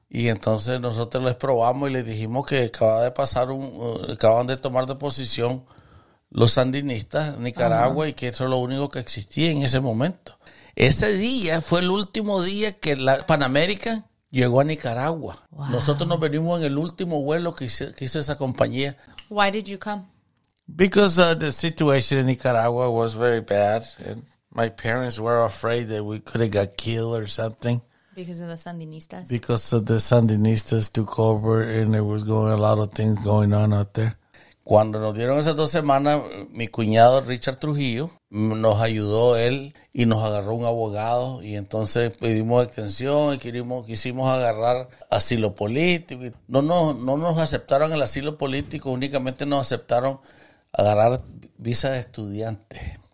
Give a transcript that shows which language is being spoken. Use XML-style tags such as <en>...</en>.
<es>Y entonces nosotros les probamos y les dijimos que acababan de tomar de posición los sandinistas de Nicaragua. Ajá. Y que eso es lo único que existía en ese momento. Ese día fue el último día que la Pan American llegó a Nicaragua. Wow. Nosotros nos venimos en el último vuelo que hizo esa compañía.</es> <en>Why did you come? Because the situation in Nicaragua was very bad, and my parents were afraid that we could have got killed or something. Yeah. Because of the Sandinistas. Because of the Sandinistas took over and there was going a lot of things going on out there.</en> <es>Cuando nos dieron esas dos semanas, mi cuñado Richard Trujillo nos ayudó él y nos agarró un abogado y entonces pedimos extensión y quisimos agarrar asilo político. No nos aceptaron el asilo político, únicamente nos aceptaron agarrar visa de estudiante.</es>